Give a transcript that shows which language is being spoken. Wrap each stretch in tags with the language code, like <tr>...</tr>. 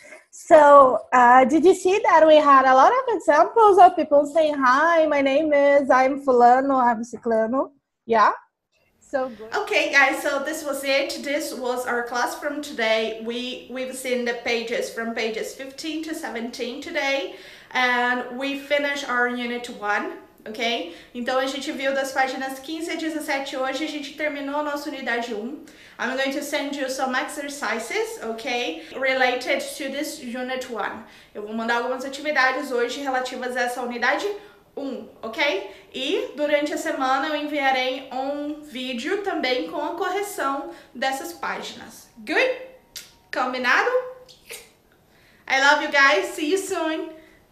<en>So, did you see that we had a lot of examples of people saying, hi, my name is, I'm fulano, I'm ciclano. Yeah? So good. Okay, guys, so this was it. This was our class from today. We've seen the pages from pages 15 to 17 today, and we finished our unit 1, okay?</en> <pt>Então, a gente viu das páginas 15 a 17 hoje, a gente terminou a nossa unidade 1.</pt> <en>I'm going to send you some exercises, okay, related to this unit 1.</en> <pt>Eu vou mandar algumas atividades hoje relativas a essa unidade um, ok? E durante a semana eu enviarei um vídeo também com a correção dessas páginas.</pt> <en>Good? Combinado? I love you guys. See you soon.</en>